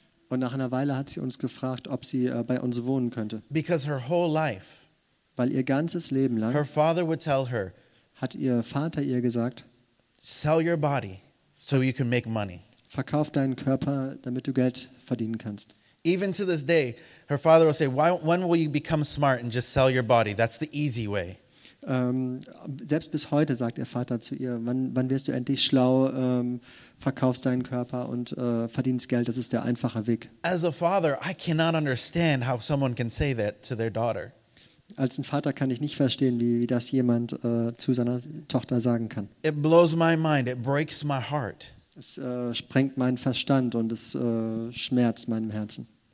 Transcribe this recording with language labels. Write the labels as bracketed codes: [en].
[de] Und nach einer Weile hat sie uns gefragt, ob sie bei uns wohnen könnte. [en] Because her whole life, [de] weil ihr ganzes Leben lang, [en] her father would tell her, [de] hat ihr Vater ihr gesagt, [en] sell your body so you can make money. [de] Verkauf deinen Körper, damit du Geld verdienen kannst. [en] Even to this day, her father will say, when will you become smart and just sell your body? That's the easy way. [de] Selbst bis heute sagt ihr Vater zu ihr, wann wirst du endlich schlau, verkaufst deinen Körper und verdienst Geld, das ist der einfache Weg. [en] As a father, I cannot understand how someone can say that to their daughter. [de] Als ein Vater kann ich nicht verstehen, wie das jemand zu seiner Tochter sagen kann. [en] It blows my mind, it breaks my heart. [de] Es sprengt meinen Verstand und es schmerzt meinem Herzen.